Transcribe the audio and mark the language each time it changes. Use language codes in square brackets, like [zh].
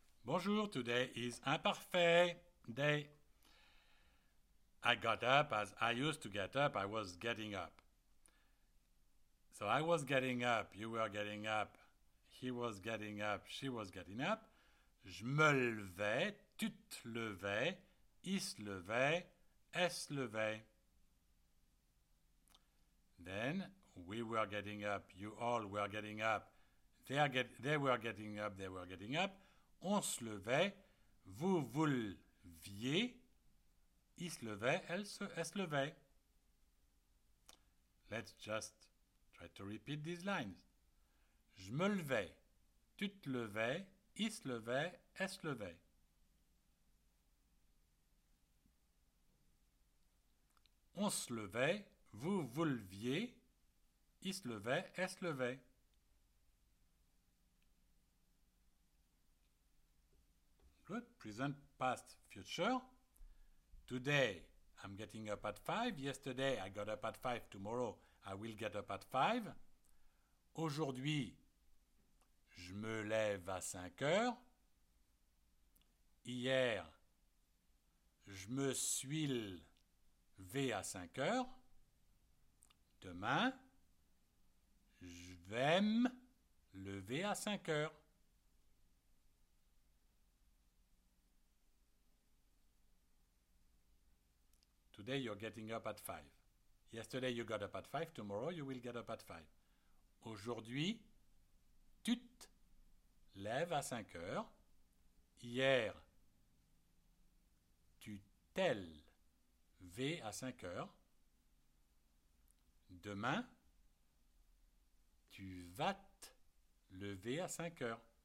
[en] Bonjour, today is imparfait day. I got up as I used to get up. I was getting up. So I was getting up, you were getting up, he was getting up, she was getting up. [fr] Je me levais, tu te levais, il se levait, elle se levait. [en] Then we were getting up, you all were getting up, they were getting up. [fr] On se levait, vous vous leviez, il se levait, elle se levait. [en] Let's just try to repeat these lines. [fr] Je me levais, tu te levais, il se levait, elle se levait. On se levait, vous vous leviez, il se levait, elle se levait. [en] Good. Present, past, future. Today, I'm getting up at 5. Yesterday, I got up at 5. Tomorrow, I will get up at 5. [fr] Aujourd'hui, je me lève à 5 heures. Hier, je me suis levé à 5 heures. Demain, je vais me lever à 5 heures. [en] Today you're getting up at 5. Yesterday you got up at 5. Tomorrow you will get up at 5. [fr] Aujourd'hui, tu te lèves à 5 heures. Hier, tu t'es levé à 5 heures. Demain, tu vas te lever à 5 heures.